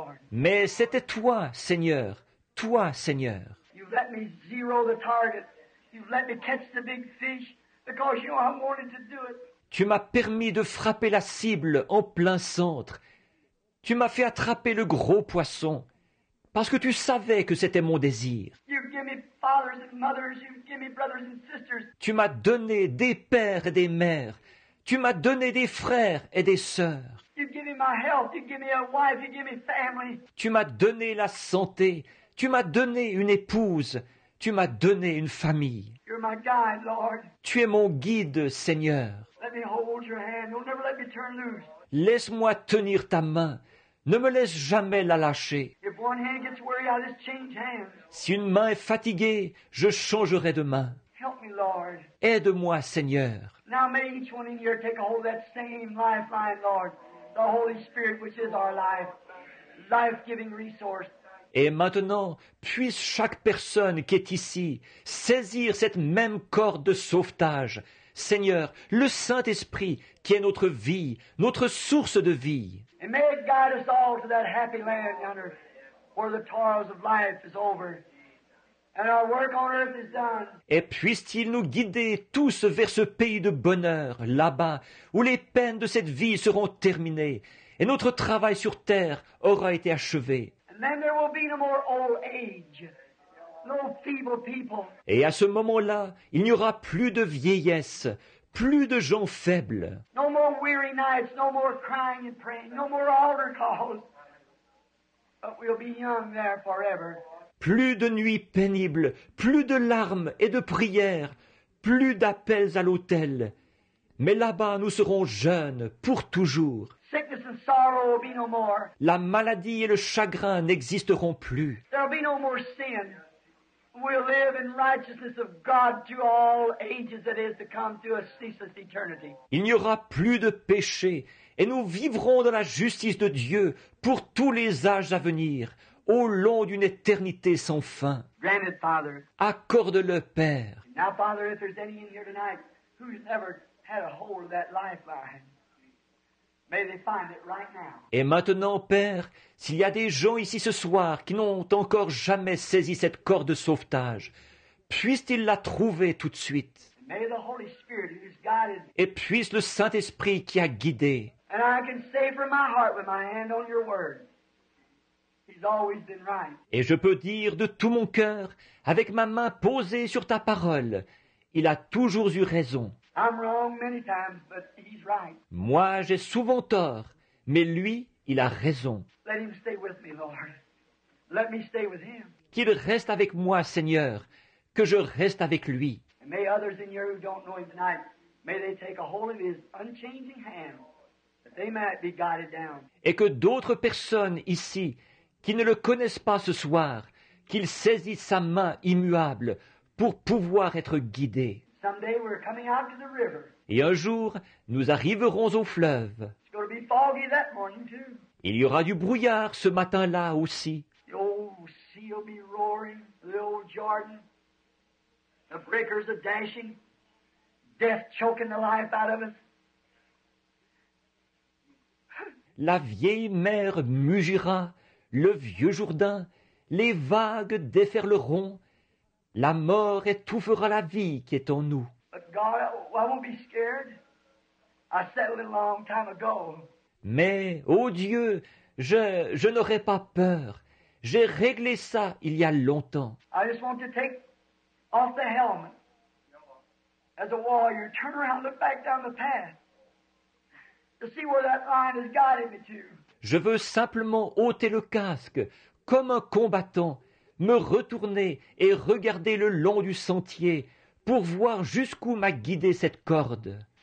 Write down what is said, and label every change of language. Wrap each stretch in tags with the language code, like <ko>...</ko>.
<fr>Mais c'était toi, Seigneur, toi, Seigneur.</fr> <en>You've let me zero the target. You've let me catch the big fish because you know I wanted to do it.</en> <fr>Tu m'as permis de frapper la cible en plein centre. Tu m'as fait attraper le gros poisson parce que tu savais que c'était mon désir.</fr> <en>You give me fathers and mothers. You give me brothers and sisters.</en> <fr>Tu m'as donné des pères et des mères. Tu m'as donné des frères et des sœurs.</fr> <en>You give me my health. You give me a wife. You give me family.</en> <fr>Tu m'as donné la santé. Tu m'as donné une épouse. Tu m'as donné une famille.</fr> <en>You're my guide, Lord.</en> <fr>Tu es mon guide, Seigneur.</fr> <en>Let me hold your hand. You'll never let me turn loose.</en> <fr>Laisse-moi tenir ta main. Ne me laisse jamais la lâcher.</fr> <en>If one hand gets weary, I'll just change hands.</en> <fr>Si une main est fatiguée, je changerai de main.</fr> <en>Help me, Lord.</en> <fr>Aide-moi, Seigneur.</fr> <en>Now may each one in here take a hold of that same lifeline, Lord. The Holy Spirit, which is our life. Life-giving resource.</en> <fr>Et maintenant, puisse chaque personne qui est ici saisir cette même corde de sauvetage. Seigneur, le Saint-Esprit qui est notre vie, notre source de vie.</fr> <en>And may it guide us all to that happy land yonder, where the toils of life is over, and our work on earth is done.</en> <fr>Et puisse-t-il nous guider tous vers ce pays de bonheur, là-bas, où les peines de cette vie seront terminées, et notre travail sur terre aura été achevé.</fr> <en>And then there will be no more old age, no feeble people.</en> <fr>Et à ce moment-là, il n'y aura plus de vieillesse, plus de gens faibles.</fr> <en>No more weary nights, no more crying and praying, no more altar calls. But we'll be young there forever.</en> <fr>Plus de nuits pénibles, plus de larmes et de prières, plus d'appels à l'autel. Mais là-bas, nous serons jeunes pour toujours.</fr> <en>Sickness and sorrow will be no more.</en> <fr>La maladie et le chagrin n'existeront plus.</fr> <en>There'll be no more sin. We'll live in righteousness of God to all ages that is to come to a ceaseless eternity.</en> <fr>Il n'y aura plus de péché et nous vivrons dans la justice de Dieu pour tous les âges à venir, au long d'une éternité sans fin.</fr> <en>Grant it, Father.</en> <fr>Accorde-le, Père.</fr> <en>Now, Father, if there's any in here tonight who's never had a hold of that lifeline, may they find it right now.</en> <fr>Et maintenant, Père, s'il y a des gens ici ce soir qui n'ont encore jamais saisi cette corde de sauvetage, puissent-ils la trouver tout de suite?</fr> <en>May the Holy Spirit who's guided.</en> <fr>Et puisse le Saint-Esprit qui a guidé.</fr> <en>And I can say from my heart with my hand on your word, he's always been right.</en> <fr>Et je peux dire de tout mon cœur, avec ma main posée sur ta parole, il a toujours eu raison.</fr> <en>I'm wrong many times, but he's right.</en> <fr>Moi, j'ai souvent tort, mais lui, il a raison.</fr> <en>Let him stay with me, Lord. Let me stay with him.</en> <fr>Qu'il reste avec moi, Seigneur, que je reste avec lui.</fr> <en>And may others in here who don't know him tonight, may they take a hold of his unchanging hand, that they might be guided down.</en> <fr>Et que d'autres personnes ici, qui ne le connaissent pas ce soir, qu'ils saisissent sa main immuable pour pouvoir être guidés.</fr> <en>Someday we're coming out to the river.</en> <fr>Et un jour, nous arriverons au fleuve.</fr> <en>It's going to be foggy that morning too.</en> <fr>Il y aura du brouillard ce matin-là aussi.</fr> <en>The old sea will be roaring, the old Jordan. The breakers are dashing, death choking the life out of us.</en> <fr>La vieille mer mugira, le vieux Jourdain, les vagues déferleront. La mort étouffera la vie qui est en nous.</fr> <en>God, I won't be scared. I settled it a long time ago.</en> <fr>Mais, ô Dieu, je n'aurai pas peur. J'ai réglé ça il y a longtemps.</fr> <en>I just want to take off the helmet. As a warrior, turn around, look back down the path. To see where that line has guided me to.</en> <fr>Je veux simplement ôter le casque, comme un combattant, me retourner et regarder le long du sentier pour voir jusqu'où m'a guidé cette corde.</fr>